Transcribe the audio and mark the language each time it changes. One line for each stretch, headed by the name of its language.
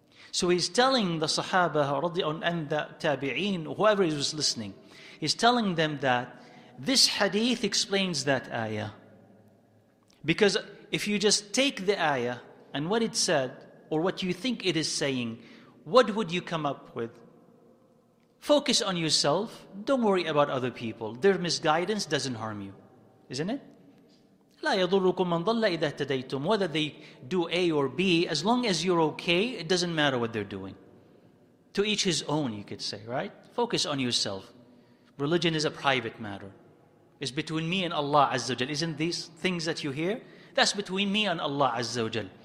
English: So he's telling the Sahaba and the Tabi'een, whoever is listening, he's telling them that this hadith explains that ayah. Because if you just take the ayah and what it said, or what you think it is saying, what would you come up with? Focus on yourself, don't worry about other people. Their misguidance doesn't harm you, isn't it?
Arabic: لا يضركم من ضل إذا اهتديتم.
English: Whether they do A or B, as long as you're okay, it doesn't matter what they're doing. To each his own, you could say, right? Focus on yourself. Religion is a private matter. It's between me and Allah Azza wa Jal. Isn't these things that you hear? That's between me and Allah Azza wa Jal.